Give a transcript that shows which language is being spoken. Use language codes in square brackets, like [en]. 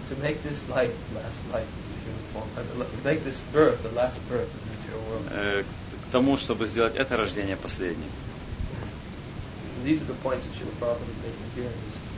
[en] To make this life the last life of human form, to make this birth the last birth of material world. [ru] К тому, чтобы сделать это рождение последним. [en] These are the points that Srila Prabhupada is making here in this